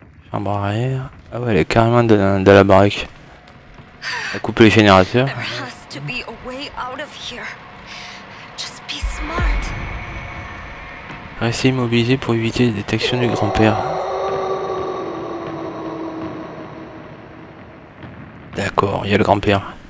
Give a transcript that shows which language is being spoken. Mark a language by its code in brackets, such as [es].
[fr] Chambre arrière. Ah ouais, elle est carrément dans la baraque. Elle a coupé les générateurs. [en] There has to be a way out of here. Just be smart. [fr] Restez immobilisé pour éviter la détection du grand-père. D'accord, il y a le grand-père.